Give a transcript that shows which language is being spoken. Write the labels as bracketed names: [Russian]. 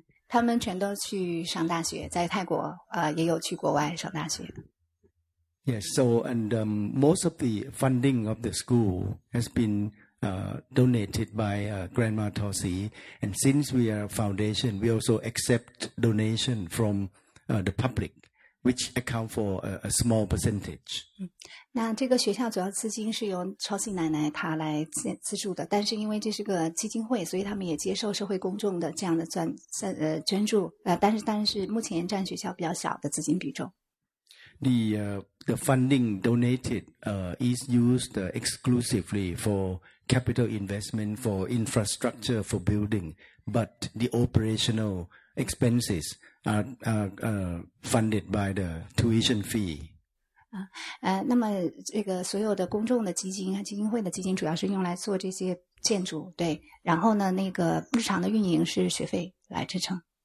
[Chinese] 他们全都去上大学，在泰国也有去国外上大学。 [English] Yes, so and most of the funding of the school has been donated by Grandma Tosi, and since we are a foundation, we also accept donation from the public, which account for a small percentage. [Chinese] 那这个学校主要资金是由超级奶奶她来资助的，但是因为这是个基金会，所以他们也接受社会公众的这样的捐助。但是目前占学校比较小的资金比重。 [English] The funding donated is used exclusively for capital investment, for infrastructure, for building, but the operational expenses are funded by the tuition fee. [Chinese] 那么这个所有的公众的基金和基金会的基金主要是用来做这些建筑，对，然后呢那个日常的运营是学费来支撑。